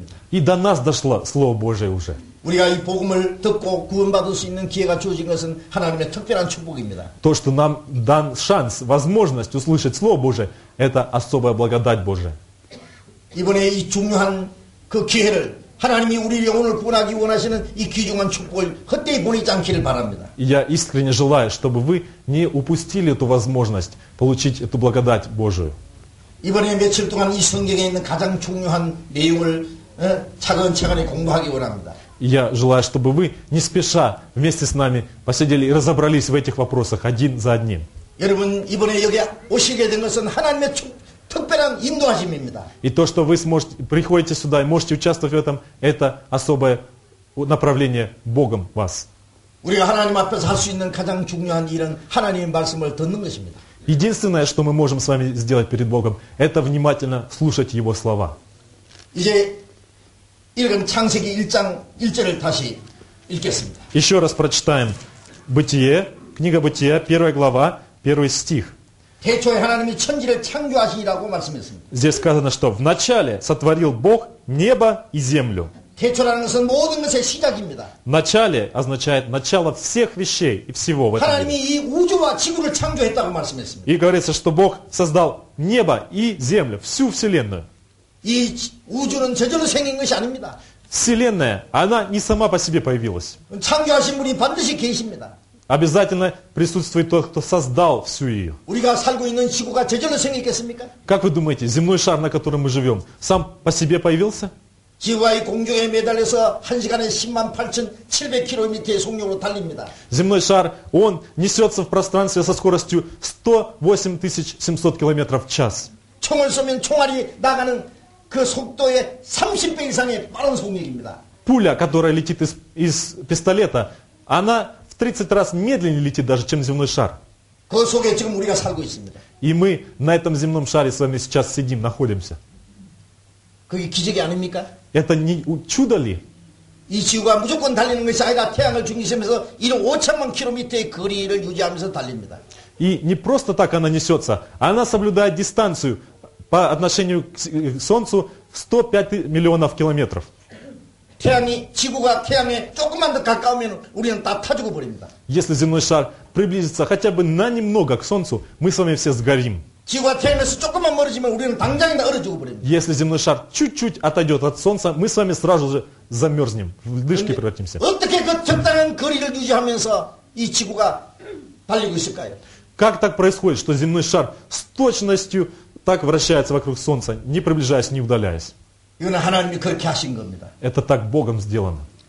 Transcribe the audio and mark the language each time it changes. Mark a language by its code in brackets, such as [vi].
[ru] И до нас дошло слово Божье уже. [ko] 우리가 이 복음을 듣고 구원받을 수 있는 기회가 주어진 것은 하나님의 특별한 축복입니다. [ru] То, что нам дан шанс, возможность услышать Слово Божие, это особая благодать Божия. [ko] 이번에 이 중요한 그 기회를 하나님이 우리의 영혼을 구원하기 원하시는 이 귀중한 축복을 헛되이 보내지 않기를 바랍니다. [ru] Я искренне желаю, чтобы вы не упустили эту возможность получить эту благодать Божию. [ko] 이번에 며칠 동안 이 성경에 있는 가장 중요한 내용을 차근차근히 공부하기 원합니다. [ru] Я желаю, чтобы вы не спеша вместе с нами посидели и разобрались в этих вопросах один за одним. [ko] 여러분, 이번에 여기 오시게 된 것은 하나님의 특별한 인도하심입니다. [ru] И то, что вы сможете, приходите сюда и можете участвовать в этом, это особое направление Богом вас. [ko] 우리가 하나님 앞에서 할 수 있는 가장 중요한 일은 하나님의 말씀을 듣는 것입니다. [ru] Единственное, что мы можем с вами сделать перед Богом, это внимательно слушать Его слова. [ko] 이제 읽은 창세기 1장 1절을 다시 읽겠습니다. [ru] Еще раз прочитаем Бытие, книга Бытия, первая глава, первый стих. [ko] 태초에 하나님이 천지를 창조하시니라고 말씀했습니다. [ru] Здесь сказано, что вначале сотворил Бог небо и землю. [ko] 태초라는 것은 모든 것의 시작입니다. [ru] Начале означает начало всех вещей и всего в этом. [ko] 하나님이 이 우주와 지구를 창조했다고 말씀했습니다. [ru] И говорится, что Бог создал небо и землю, всю вселенную. [ko] 이 우주는 저절로 생긴 것이 아닙니다. [ru] Вселенная, она не сама по себе появилась. [ko] 창조하신 분이 반드시 계십니다. [ru] Обязательно присутствует тот, кто создал всю ее. [ko] 우리가 살고 있는 지구가 저절로 생겼겠습니까? [ru] Как вы думаете, земной шар, на котором мы живем, сам по себе появился? [ko] 지구와 이 공중에 매달려서 1시간에 108,700km의 속력으로 달립니다. [ru] Земной шар, он несется в пространстве со скоростью 108,700 км/ч. [ko] 총을 쏘면 총알이 나가는 그 속도의 30배 이상의 빠른 속력입니다. [ru] Пуля, которая летит из пистолета, она в 30 раз медленнее летит даже, чем земной шар. [ko] 그 속에 지금 우리가 살고 있습니다. [ru] И мы на этом земном шаре с вами сейчас сидим, находимся. [ko] 그게 기적이 아닙니까? [ru] Это не чудо ли? [ko] 이 지구가 무조건 달리는 것이 아니라 태양을 중심에서 15,000만 km의 거리를 유지하면서 달립니다. [ru] И не просто так она несется, она соблюдает дистанцию по отношению к Солнцу в 105 миллионов километров. [ko] 태양이, 지구가 태양에 조금만 더 가까우면 우리는 다 타 죽어버립니다. [ru] Если земной шар приблизится хотя бы на немного к Солнцу, мы с вами все сгорим. [ko] 지구가 태양에서 조금만 멀어지면 우리는 당장 다 얼어 죽어버립니다. [ru] Если земной шар чуть-чуть отойдет от Солнца, мы с вами сразу же замерзнем, в дышки превратимся. [ko] 어떻게 그 적당한 거리를 유지하면서 이 지구가 달리고 있을까요? [ru] Как так происходит, что земной шар с точностью так вращается вокруг Солнца, не приближаясь, не удаляясь? Это так Богом сделано.